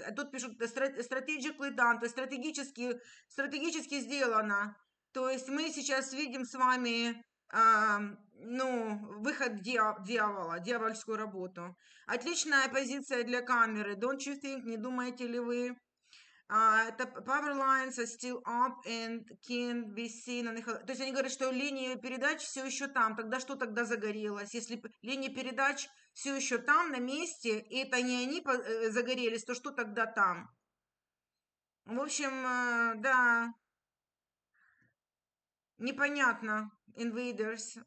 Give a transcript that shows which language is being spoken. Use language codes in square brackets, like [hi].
[ru] А тут пишут [en] strategically done, [ru] то есть стратегически сделано. То есть мы сейчас видим с вами, выход дьявола, дьявольскую работу. Отличная позиция для камеры. [en] Don't you think, [ru] не думаете ли вы? [en] The power lines are still up and can be seen. [ru] То есть они говорят, что линии передач все еще там. Тогда что тогда загорелось? Если линии передач все еще там, на месте, и это не они загорелись, то что тогда там? В общем, да, непонятно, invaders.